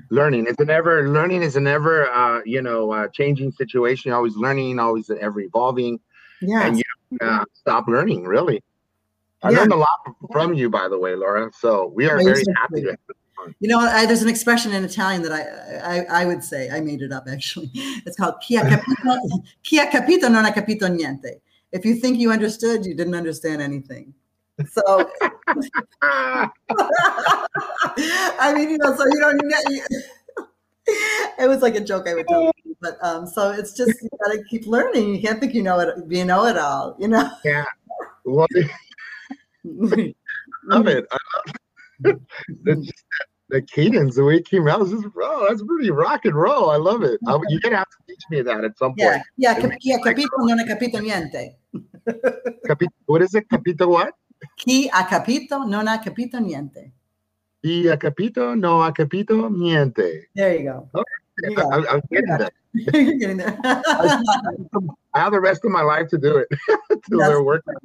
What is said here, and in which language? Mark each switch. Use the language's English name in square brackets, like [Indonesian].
[English] Learning is a never changing situation. Always learning, always ever evolving. Yeah. And you stop learning, really. I learned a lot from you, by the way, Laura. So we are very happy. You know, there's an expression in Italian that I would say, I made it up actually. It's called chi ha capito non ha capito niente. If you think you understood, you didn't understand anything. So, I mean, you know, so you don't get it. It was like a joke I would tell you. But so it's just, you got to keep learning. You can't think you know it, be a know-it-all, you know? Yeah. Well, I love it. The cadence, the way it came out, is that's pretty rock and roll. I love it. You're gonna have to teach me that at some point. [Italian] Yeah, capito, non ha capito niente. [English] What is it? Capito what? [Italian] Chi ha capito non ha capito niente. Chi ha capito no ha capito niente. [English] There you go. Okay. Yeah. I'm getting that. You're getting there. I have the rest of my life to do it.